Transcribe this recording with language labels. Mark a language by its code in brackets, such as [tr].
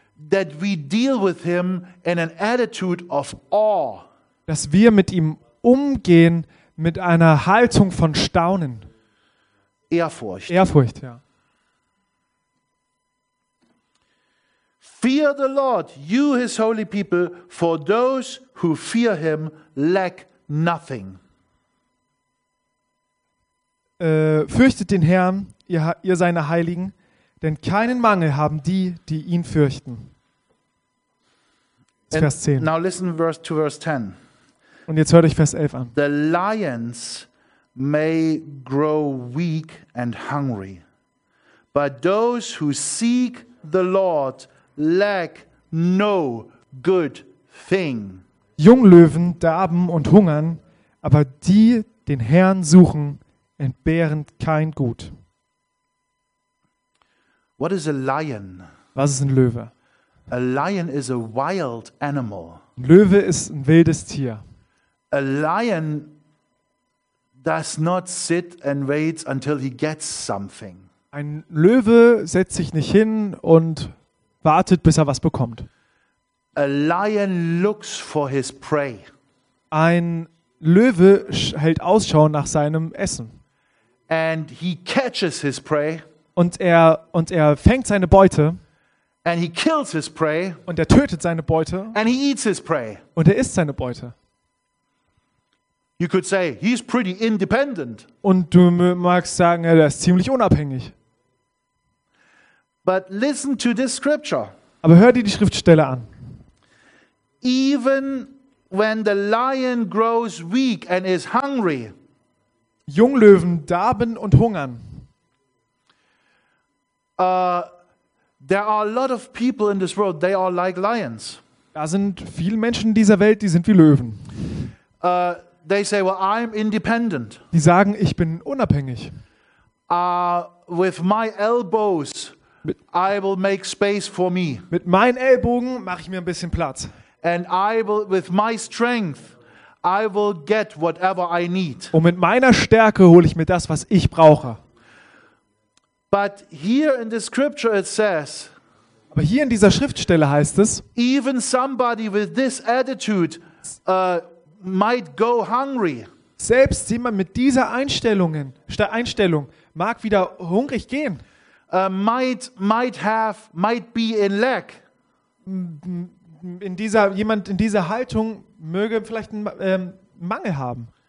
[en] That we deal with him in an attitude of awe. [de] Dass wir mit ihm umgehen mit einer Haltung von Staunen. Ehrfurcht. Ehrfurcht, ja. [en] Fear the Lord, you his holy people, for those who fear him lack nothing. [de] Fürchtet den Herrn, ihr seine Heiligen, denn keinen Mangel haben die, die ihn fürchten. Vers 10. [en] Now listen to verse 10. [de] Und jetzt hört euch Vers 11 an. [en] The lions may grow weak and hungry, but those who seek the Lord lack no good thing. [de] Junglöwen darben und hungern, aber die den Herrn suchen, entbehren kein Gut. [en] What is a lion? [de] Was ist ein Löwe? [en] A lion is a wild animal. [de] Löwe ist ein wildes Tier. [en] A lion does not sit and wait until he gets something. [de] Ein Löwe setzt sich nicht hin und wartet, bis er was bekommt. [en] A lion looks for his prey. [de] Ein Löwe hält Ausschau nach seinem Essen. [en] And he catches his prey. [de] Und er fängt seine Beute. [en] And he kills his prey. [de] Und er tötet seine Beute. [en] And he eats his prey. [de] Und er isst seine Beute. [en] You could say he's pretty independent. [de] Und du magst sagen, er ist ziemlich unabhängig. [en] But listen to this scripture. [de] Aber hör dir die Schriftstelle an. [en] Even when the lion grows weak and is hungry. [de] Junglöwen darben und hungern. [en] There are a lot of people in this world, they are like lions. [de] Da sind viele Menschen in dieser Welt, die sind wie Löwen. [en] They say, well, I'm independent. [de] Die sagen, ich bin unabhängig. [en] With my elbows I will make space for me. [de] Mit meinen Ellbogen mache ich mir ein bisschen Platz. [en] And I will with my strength I will get whatever I need. [de] Und mit meiner Stärke hole ich mir das, was ich brauche. [en] But here in the scripture it says. [de] Aber hier in dieser Schriftstelle heißt es, [en] even somebody with this attitude might go hungry. [de] Selbst jemand mit dieser Einstellung mag wieder hungrig gehen. [en] might be in lack. [de] Jemand in dieser Haltung möge vielleicht einen Mangel haben.